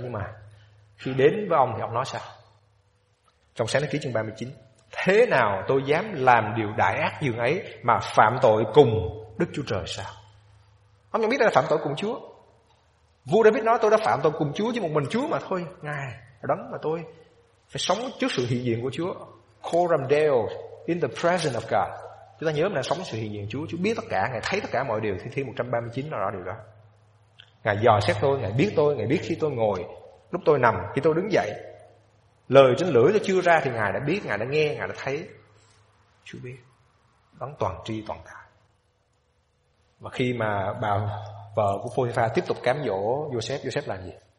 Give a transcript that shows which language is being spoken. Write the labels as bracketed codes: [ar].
[vi] Nhưng mà khi đến với ông thì ông nói sao? Trong Sáng Thế Ký chương 39: thế nào tôi dám làm điều đại ác dường ấy mà phạm tội cùng Đức Chúa Trời sao? Ông nhận biết đây là phạm tội cùng Chúa. Vua David nói tôi đã phạm tội cùng Chúa, chứ một mình Chúa mà thôi. Ngài đấng mà tôi phải sống trước sự hiện diện của Chúa. [la] Coram Deo [en] in the presence of God. [vi] Chúng ta nhớ mình đang sống sự hiện diện Chúa. Chúa biết tất cả, Ngài thấy tất cả mọi điều. Thi 139 nói rõ điều đó. Ngài dò xét tôi, Ngài biết tôi, Ngài biết khi tôi ngồi, lúc tôi nằm, khi tôi đứng dậy. Lời trên lưỡi tôi chưa ra thì Ngài đã biết, Ngài đã nghe, Ngài đã thấy. Chúa biết. Đấng toàn tri toàn tài. Và khi mà bà vợ của Phô-ti-pha tiếp tục cám dỗ Joseph, Joseph làm gì?